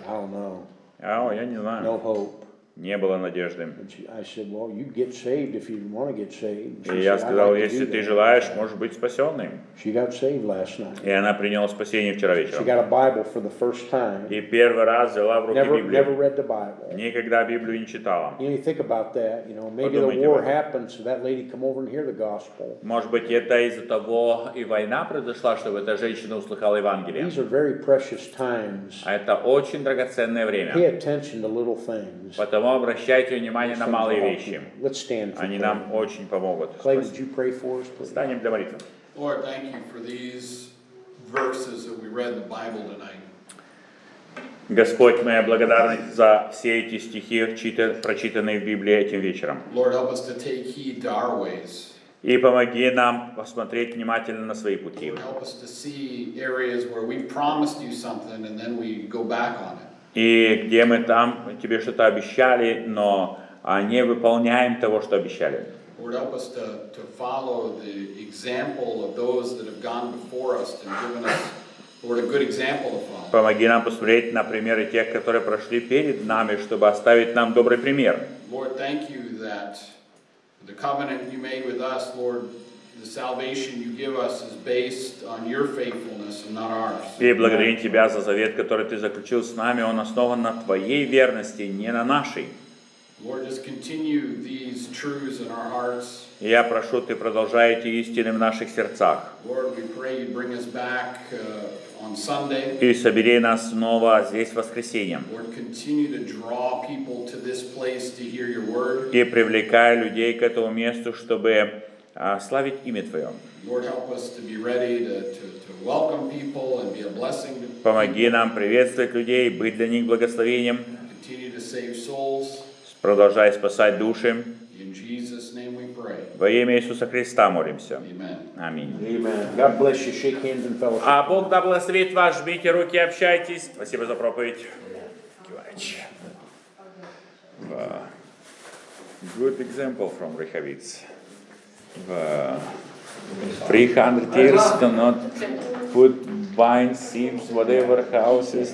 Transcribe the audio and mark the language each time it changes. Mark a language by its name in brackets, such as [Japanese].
[English] I don't know. [Russian] Oh, я не знаю. [English] No hope. [Russian] Не было надежды. [English] I said, well, you get saved if you want to get saved. [Russian] И я сказал, если ты желаешь, можешь быть спасенным. [English] She got saved last night. [Russian] И она приняла спасение вчера вечером. [English] She got a Bible for the first time. [Russian] И первый раз взяла в руки Библию. [English] Never read the Bible. [Russian] Никогда Библию не читала. [English] You think about that, you know, maybe the war happened, so that lady come over and hear the gospel. [Russian] Может быть, это из-за того и война произошла, чтобы эта женщина услыхала Евангелие. [English] These are very precious times. [Russian] Это очень драгоценное время. [English] Pay attention to little things. [Russian] Но обращайте внимание на малые вещи. Они нам очень помогут. Встанем для молитвы. [English] Lord, thank you for these verses that we read in the Bible tonight. [Russian] Господь, моя благодарность за все эти стихи, прочитанные в Библии этим вечером. [English] Lord, help us to take heed to our ways. [Russian] И помоги нам посмотреть внимательно на свои пути. [English] Lord, help us to see areas where we promised you something and then we go back on it. [Russian] И где мы там тебе что-то обещали, но не выполняем того, что обещали. [English] Lord, help us to follow the example of those that have gone before us and given us, Lord, a good example to follow. [Russian] Помоги нам посмотреть на примеры тех, которые прошли перед нами, чтобы оставить нам добрый пример. [English] Lord, thank you that the covenant you made with us, Lord, the salvation you give us is based on your faithfulness and not ours. [Russian] И благодарим тебя за завет, который ты заключил с нами, он основан на твоей верности, не на нашей. [English] Lord, just continue these truths in our hearts. [Russian] Я прошу, ты продолжай эти истины в наших сердцах. [English] Lord, we pray you bring us back on Sunday. [Russian] И собери нас снова здесь в воскресенье. [English] Lord, continue to draw people to this place to hear your word. [Russian] И привлекай людей к этому месту, чтобы славить имя Твое. [English] Lord, help us to be ready to welcome people and be a blessing to people. [Russian] Помоги нам приветствовать людей, быть для них благословением. [English] Continue to save souls. [Russian] Продолжай спасать души. [English] In Jesus' name we pray. [Russian] Во имя Иисуса Христа молимся. Аминь. [English] God bless you. Shake hands and fellowship. [Russian] А Бог да благословит вас. Жмите руки, общайтесь. Спасибо за проповедь. [English] Good example from Rehavitz. 300 years cannot put vine seams, whatever houses.